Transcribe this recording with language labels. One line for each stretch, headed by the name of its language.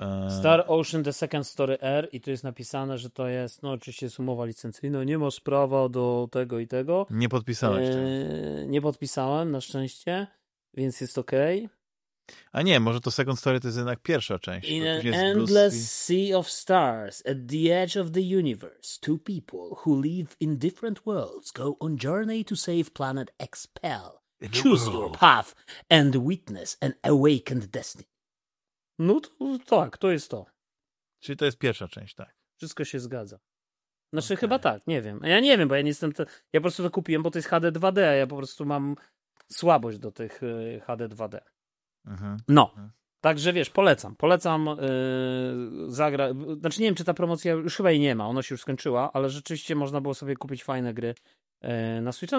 Polish: Star Ocean The Second Story R i tu jest napisane, że to jest, no oczywiście jest umowa licencyjna, nie ma prawa do tego i tego. Nie podpisałeś tego. Nie podpisałem, na szczęście, więc jest okej. Okay. A nie, może to Second Story to jest jednak pierwsza część.
English: In an endless sea of stars, at the edge of the universe, two people who live in different worlds go on journey to save planet Expel. Choose your path and witness an awakened destiny.
Polish: No to tak, to jest to. Czyli to jest pierwsza część, tak. Wszystko się zgadza. Znaczy okay. Chyba tak, nie wiem. Ja nie wiem, bo ja nie jestem... Ja po prostu to kupiłem, bo to jest HD 2D, a ja po prostu mam słabość do tych HD 2D. No. Także wiesz, polecam. Polecam zagra... Znaczy nie wiem, czy ta promocja już chyba jej nie ma, ona się już skończyła, ale rzeczywiście można było sobie kupić fajne gry na Switcha.